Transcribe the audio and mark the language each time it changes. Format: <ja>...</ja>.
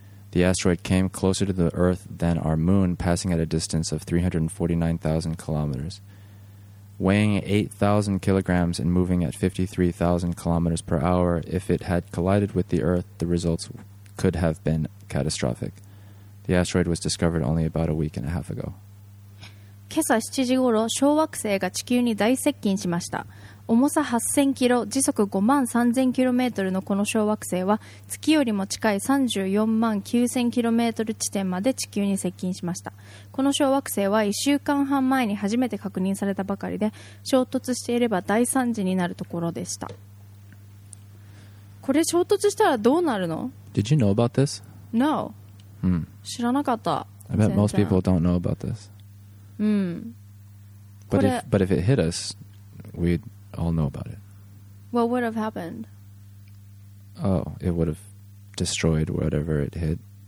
<en>The asteroid came closer to the Earth than our moon, passing at a distance of 349,000 kilometers, weighing 8,000 kilograms and moving at 53,000 kilometers per hour. If it had collided with the Earth, the results could have been catastrophic. The asteroid was discovered only about a week and a half ago.</en> <ja>今朝7時ごろ、小惑星が地球に大接近しました。重さ8000キロ、時速5万3000キロメートルのこの小惑星は、月よりも近い34万9000キロメートル地点まで地球に接近しました。この小惑星は1週間半前に初めて確認されたばかりで、衝突していれば大惨事になるところでした。これ衝突したらどうなるの？</ja> <en>Did you know about this? No.、 Mm.</en> <ja>知らなかった。</ja> <en>I bet most people don't know about this. But if it hit us, we'd all know about it. What would have happened? Oh, it would have destroyed whatever it hit.</en>